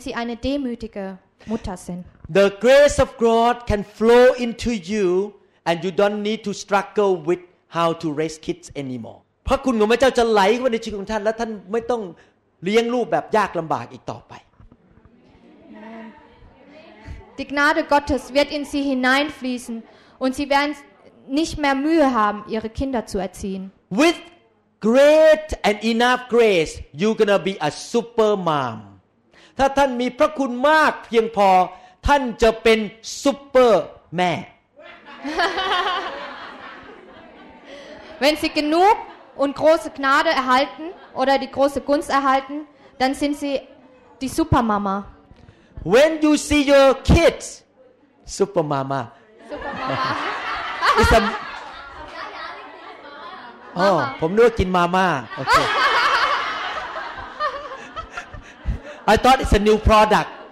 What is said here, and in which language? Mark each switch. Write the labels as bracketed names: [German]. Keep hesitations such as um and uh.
[German] Sie eine demütige Mutter sind [English] The grace of God can flow into you and you don't need to struggle with how to raise kids anymore [Thai] เพราะคุณของพระเจ้าจะไหลเข้าในชีวิตของท่านและท่านไม่ต้องเลี้ยงลูกแบบยากลำบากอีกต่อไป [German] Die Gnade Gottes wird in sie hineinfließen und sie werden nicht mehr Mühe haben, ihre Kinder zu erziehen. [English] With great and enough grace, you're gonna be a super mom. [Thai] ถ้าท่านมีพระคุณมากเพียงพอ ท่านจะเป็นซุปเปอร์แม่ [German] Wenn Sie genug und große Gnade erhalten oder die große Gunst erhalten, dann sind sie die Supermama. [English] When you see your kids, Supermama. Supermama. a, Mama. oh, Mama. Okay. I thought it's a new product.